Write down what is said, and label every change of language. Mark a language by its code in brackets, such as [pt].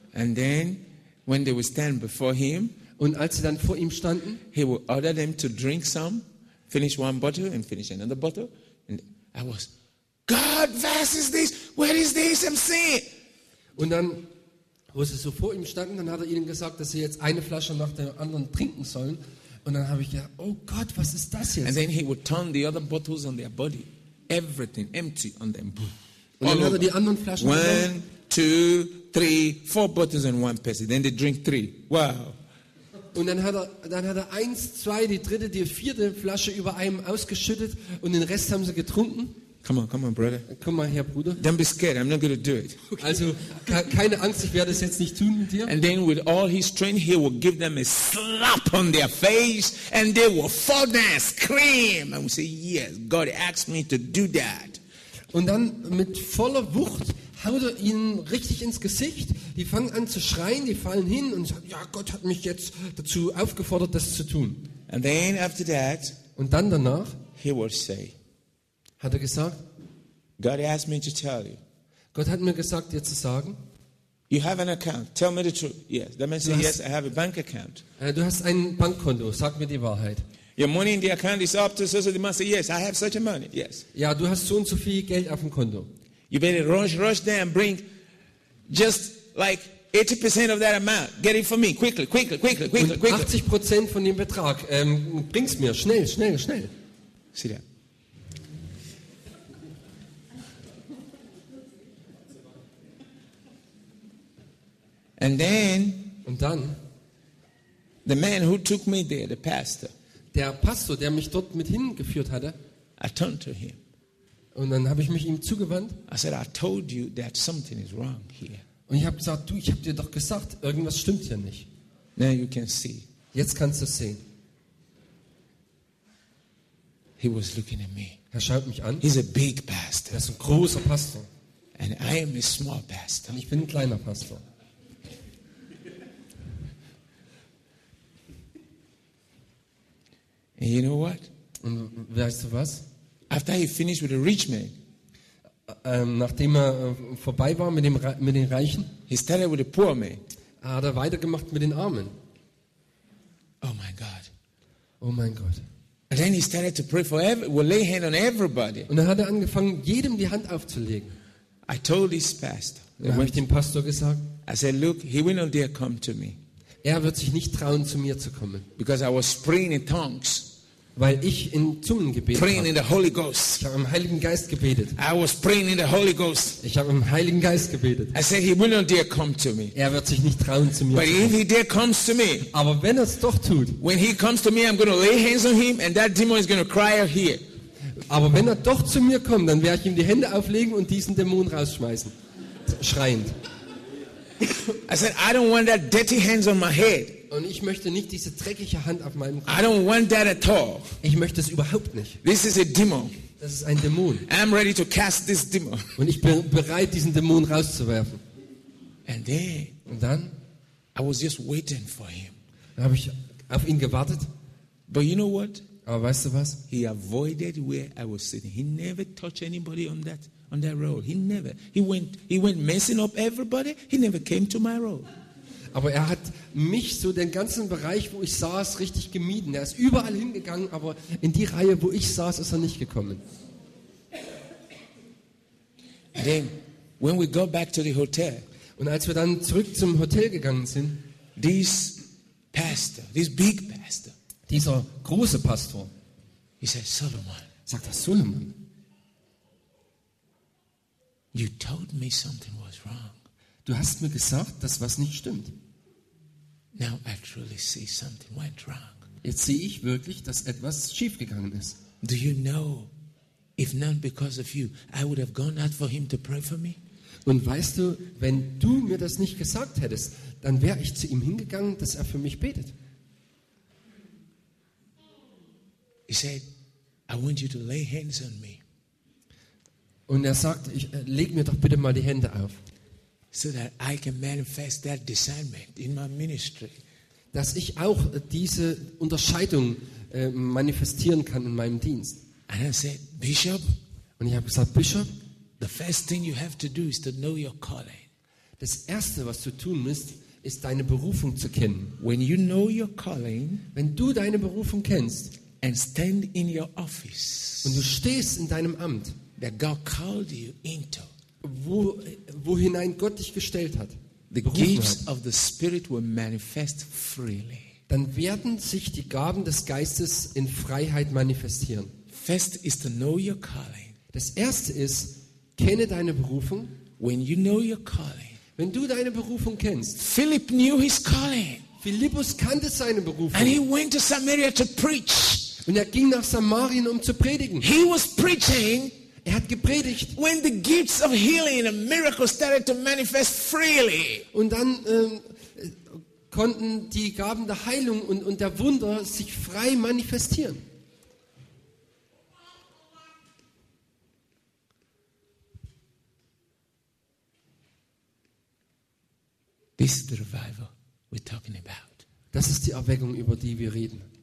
[en] And then, when they will stand before him, [de] und als sie dann vor ihm standen, [en] he will order them to drink some, finish one bottle and finish another bottle. And I was, God, what is this? Where is this? I'm seeing. [de] Und dann, wo sie so vor ihm standen, dann hat er ihnen gesagt, dass sie jetzt eine Flasche nach der anderen trinken sollen. Und dann habe ich gedacht, oh Gott, was ist das jetzt? [en] And then he would turn the other bottles on their body, everything empty on them. [de] Und dann hat er die anderen Flaschen. [en] 1, 2, 3, 4 bottles and one person. Then they drink 3. Wow. [de] Und dann hat er 1, 2, die dritte, die vierte Flasche über einem ausgeschüttet und den Rest haben sie getrunken. [en] Come on, brother. [de] Komm mal her, Bruder. [en] Don't be scared, I'm not going to do it. Okay. [de] Also, keine Angst, ich werde es jetzt nicht tun mit dir. [en] And then with all his strength, he will give them a slap on their face and they will fall down, scream and say, yes, God asked me to do that. [de] Und dann mit voller Wucht haut er ihnen richtig ins Gesicht. Die fangen an zu schreien, die fallen hin und sagen, ja, Gott hat mich jetzt dazu aufgefordert, das zu tun. [en] And then after that, [de] und dann danach, [en] he will say, [de] hat er gesagt, [en] God asked me to tell you. [de] Gott hat mir gesagt, dir zu sagen, [en] you have an account, tell me the truth. Yes, that means, yes, I have a bank account. [de] Du hast ein Bankkonto, sag mir die Wahrheit. [en] Your money in the account is up to so and so. Yes, I have such a money, yes. [de] Ja, du hast so und so viel Geld auf dem Konto. [en] You better rush there and bring just like 80% of that amount. Get it for me, quickly. [de] 80% von dem Betrag, bring's mir, schnell. [en] See that? And then, [de] und dann, [en] the man who took me there, the pastor, [de] der Pastor, der mich dort mit hingeführt hatte, [en] I turned to him. [de] Und dann habe ich mich ihm zugewandt. [en] I said, I told you that something is wrong here. [de] Und ich habe gesagt, du, ich habe dir doch gesagt, irgendwas stimmt hier nicht. [en] Now you can see. [de] Jetzt kannst du es sehen. [en] He was looking at me. [de] Er schaut mich an. [en] He's a big pastor. [de] Er ist ein großer Pastor. [en] And I am a small pastor. [de] Und ich bin ein kleiner Pastor. [en] And you know what? [de] Und weißt du was? [en] After he finished with the rich man, [de] nachdem er vorbei war mit den Reichen, [en] he started with the poor man. [de] Hat er weitergemacht mit den Armen. [en] Oh my God. [de] Oh mein Gott. [en] And then he started to pray for lay hand on everybody. [de] Und dann hat er angefangen, jedem die Hand aufzulegen. [en] I told this pastor. [de] Dann habe ich dem Pastor gesagt, [en] I said, look, he will not dare come to me. [de] Er wird sich nicht trauen, zu mir zu kommen. [en] Because I was praying in tongues. [de] Weil ich in Zungen gebetet [en] praying [de] habe. [en] In the Holy Ghost. [de] Ich habe im Heiligen Geist gebetet. [en] I was praying in the Holy Ghost. [de] Ich habe im Heiligen Geist gebetet. [en] I said, he will not dare come to me. [de] Er wird sich nicht trauen, zu mir [en] but [de] zu kommen. [en] If he dare comes to me, [de] aber wenn er es doch tut, [en] when he comes to me, I'm going to lay hands on him and that demon is going to cry out here. [de] Aber wenn er doch zu mir kommt, dann werde ich ihm die Hände auflegen und diesen Dämon rausschmeißen, schreiend. [en] I said, I don't want that dirty hands on my head. [de] Und ich möchte nicht diese dreckige Hand auf meinem Kopf. [en] I don't want that at all. [de] Ich möchte es überhaupt nicht. [en] This is a demon. [de] Das ist ein Dämon. [en] I'm ready to cast this demon. [de] Und ich bin bereit, diesen Dämon rauszuwerfen. [en] And then, [de] und dann, [en] I was just waiting for him. [de] Dann habe ich auf ihn gewartet. [en] But you know what? [de] Aber weißt du was? [en] He avoided where I was sitting. He never touched anybody on that on that road. He never. He went messing up everybody. He never came to my road. [de] Aber er hat mich so den ganzen Bereich, wo ich saß, richtig gemieden. Er ist überall hingegangen, aber in die Reihe, wo ich saß, ist er nicht gekommen. [en] Then, when we go back to the hotel, [de] und als wir dann zurück zum Hotel gegangen sind, [en] this pastor, this big pastor, [de] dieser große Pastor, [en] he said, Solomon, [de] sagt er, Solomon, [en] you told me something was wrong. [de] Du hast mir gesagt, dass was nicht stimmt. [en] Now I truly see something went wrong. [de] Jetzt sehe ich wirklich, dass etwas schiefgegangen ist. [en] Do you know, if not because of you, I would have gone out for him to pray for me? [de] Und weißt du, wenn du mir das nicht gesagt hättest, dann wäre ich zu ihm hingegangen, dass er für mich betet. [en] He said, I want you to lay hands on me. [de] Und er sagt, leg mir doch bitte mal die Hände auf. [en] So that I can manifest that discernment in my ministry. [de] Dass ich auch diese Unterscheidung manifestieren kann in meinem Dienst. [en] And I said, Bishop, [de] und ich habe gesagt, Bishop, [en] the first thing you have to do is to know your calling. [de] Das erste, was du tun musst, ist deine Berufung zu kennen. [en] When you know your calling, [de] wenn du deine Berufung kennst, [en] and stand in your office, [de] und du stehst in deinem Amt, [en] that God called you into. [de] Wo hinein Gott dich gestellt hat. [en] The gifts of the Spirit will manifest freely. [de] Dann werden sich die Gaben des Geistes in Freiheit manifestieren. [en] First is to know your calling. [de] Das erste ist, kenne deine Berufung. [en] When you know your calling. [de] Wenn du deine Berufung kennst. [en] Philip knew his calling. [de] Philippus kannte seine Berufung. [en] And he went to Samaria to preach. [de] Und er ging nach Samarien, um zu predigen. [en] He was preaching. [de] Er hat gepredigt. [en] When the gifts of healing and miracles started to manifest freely. [de] Und dann konnten die Gaben der Heilung und der Wunder sich frei manifestieren. [en] This is the revival we're talking about. [de] Das ist die Erweckung, über die wir reden.